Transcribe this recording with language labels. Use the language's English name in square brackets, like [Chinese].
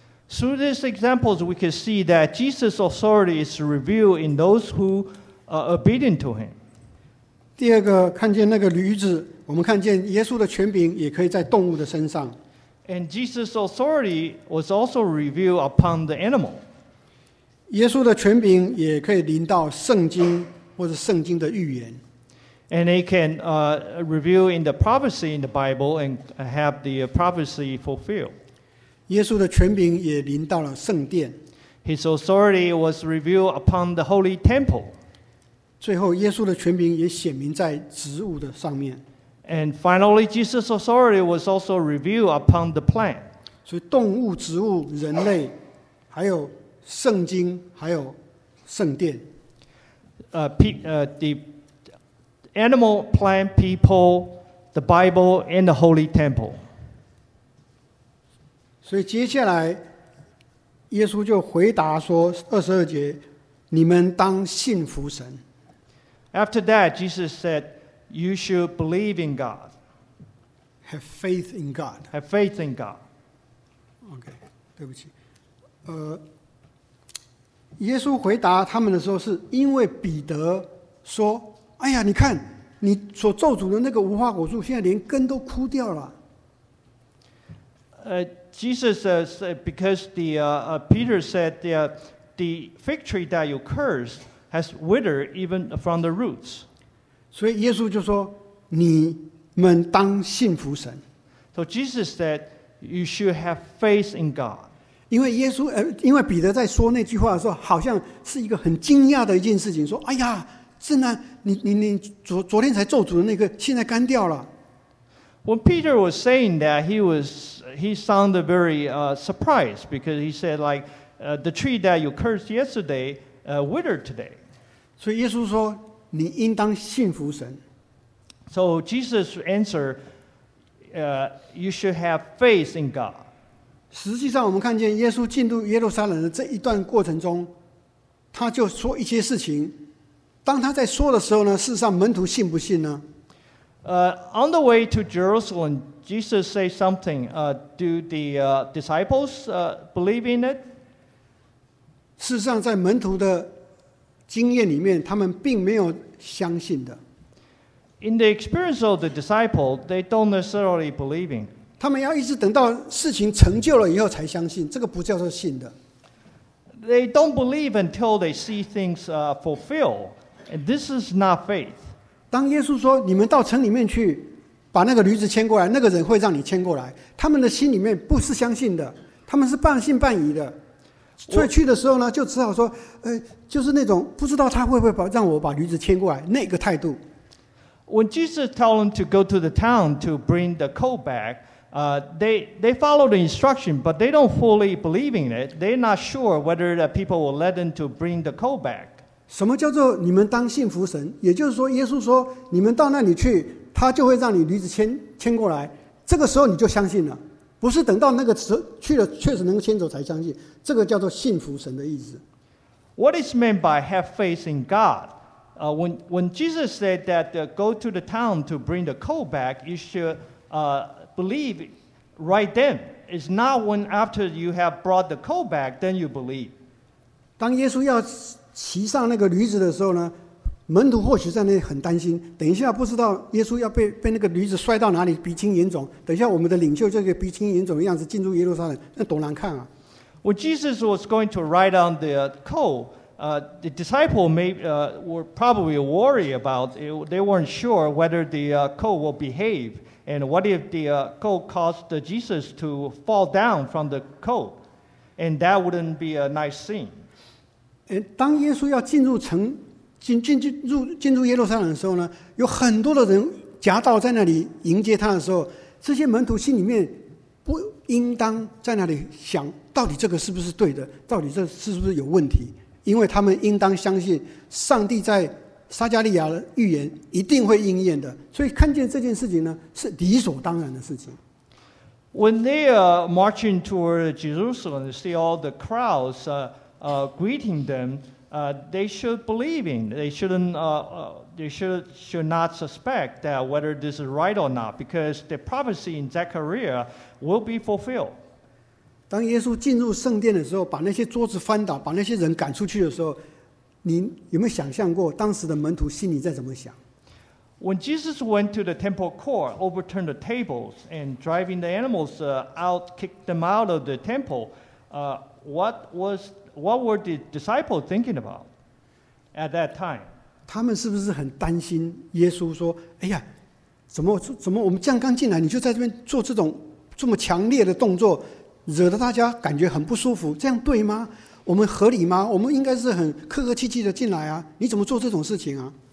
[English] Through these examples, we can see that Jesus' authority is revealed in those who are obedient to him. [Chinese] 第二个看见那个驴子，我们看见耶稣的权柄也可以在动物的身上。 [English] And Jesus' authority was also revealed upon the animal. [Chinese] 耶稣的权柄也可以临到圣经或者圣经的预言。 [English] And it can reveal in the prophecy in the Bible and have the prophecy fulfilled. [Chinese] 耶稣的权柄也临到了圣殿。 [English] His authority was revealed upon the holy temple. [Chinese] 最后，耶稣的权柄也显明在植物的上面。 [English] And finally, Jesus' authority was also revealed upon the plant. [Chinese] 所以，动物、植物、人类，还有圣经，还有圣殿。 [English] The animal, plant, people, the Bible, and the holy temple. [Chinese] 所以，接下来，耶稣就回答说：“二十二节，你们当信服神。” [English] After that, Jesus said, "You should believe in God. Have faith in God. Have faith in God." [Chinese] Okay, 对不起。耶稣回答他们的时候，是因为彼得说：“哎呀，你看，你所咒诅的那个无花果树，现在连根都枯掉了。” [English] Jesus says, "Because the Peter said the fig tree that you cursed." Has withered even from the roots. [Chinese] 所以耶稣就说，你们当信服神。 [English] So Jesus said, "You should have faith in God." [Chinese] 因为彼得在说那句话的时候，好像是一个很惊讶的一件事情，说，哎呀，真的，你昨天才咒诅的那个，现在干掉了。 [English] When Peter was saying that, he sounded very surprised because he said, like, the tree that you cursed yesterday. Withered today. [Chinese] 所以耶稣说，你应当信服神。 [English] So Jesus answered, you should have faith in God. [Chinese] 实际上我们看见耶稣进入耶路撒冷的这一段过程中，他就说一些事情，当他在说的时候呢，事实上门徒信不信呢？ [English] On the way to Jerusalem, Jesus said something. Do the disciples believe in it? [Chinese] 事实上在门徒的经验里面，他们并没有相信的。 [English] In the experience of the disciple, they don't necessarily believe in. [Chinese] 他们要一直等到事情成就了以后才相信，这个不叫做信的。 [English] They don't believe until they see things fulfilled. And this is not faith. [Chinese] 当耶稣说你们到城里面去把那个驴子牵过来，那个人会让你牵过来，他们的心里面不是相信的，他们是半信半疑的。所以去的时候呢，就只好说，就是那种不知道他会不会让我把驴子牵过来那个态度。 [English] When Jesus told them to go to the town to bring the colt back, they follow the instruction, but they don't fully believe in it. They're not sure whether the people will let them to bring the colt back. [Chinese] 什么叫做你们当信服神？也就是说，耶稣说你们到那里去，他就会让你驴子牵过来。这个时候你就相信了。不是等到那个时去了确实能够牵走才相信，这个叫做信服神的意思。 [English] What is meant by have faith in God? When Jesus said that go to the town to bring the colt back, you should believe right then. It's not when after you have brought the colt back, then you believe. [Chinese] 当耶稣要骑上那个驴子的时候呢，门徒或许在那里很担心，等一下不知道耶稣要 被那个驴子摔到哪里，鼻青眼肿。等一下我们的领袖就给鼻青眼肿的样子进入耶路撒冷，那多难看啊。 [English] When Jesus was going to ride on the colt, the disciples were probably worried about it. They weren't sure whether the colt will behave. And what if the colt caused Jesus to fall down from the colt? And that wouldn't be a nice scene. [Chinese] 当耶稣要进入城进入耶路撒冷的时候呢，有很多的人夹道在那里迎接他的时候，这些门徒心里面不应当在那里想到底这个是不是对的，到底这是不是有问题，因为他们应当相信上帝在撒加利亚的预言一定会应验的，所以看见这件事情呢是理所当然的事情。 [English] When they marching toward Jerusalem, see all the crowds greeting them,they should believe in. They should not suspect that whether this is right or not, because the prophecy in Zechariah will be fulfilled. [Chinese] 当耶稣进入圣殿的时候，把那些桌子翻倒，把那些人赶出去的时候，你有没有想象过当时的门徒心里在怎么想？ [English] When Jesus went to the temple court, overturned the tables and driving the animals out, kicked them out of the temple, What were the disciples thinking about at that time? [Chinese] 他们是不是很担心耶稣说，哎呀，怎么我们这样刚进来，你就在这边做这种这么强烈的动作，惹得大家感觉很不舒服，这样对吗？我们合理吗？我们应该是很客客气气的进来啊，你怎么做这种事情啊？